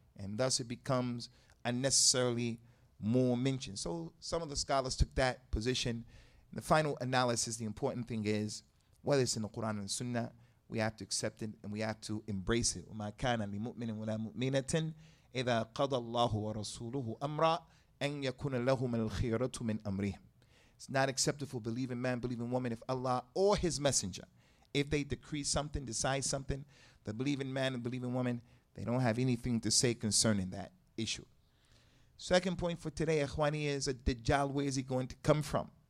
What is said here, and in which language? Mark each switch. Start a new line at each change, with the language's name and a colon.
English: And thus it becomes unnecessarily more mentioned. So some of the scholars took that position. In the final analysis, the important thing is, whether it's in the Quran and the Sunnah, we have to accept it and we have to embrace it.
Arabic: وَمَا كَانَ لِمُؤْمِنٍ وَلَا مُؤْمِنَةٍ إذا قضى الله ورسوله أمرا أن يكون لهم الخيرة من أمرهم.
English: It's not acceptable for believing man, believing woman, if Allah or His Messenger, if they decree something, decide something, the believing man and believing woman, they don't have anything to say concerning that issue. Second point for today, Ikhwani, is a Dajjal. Where is he going to come from?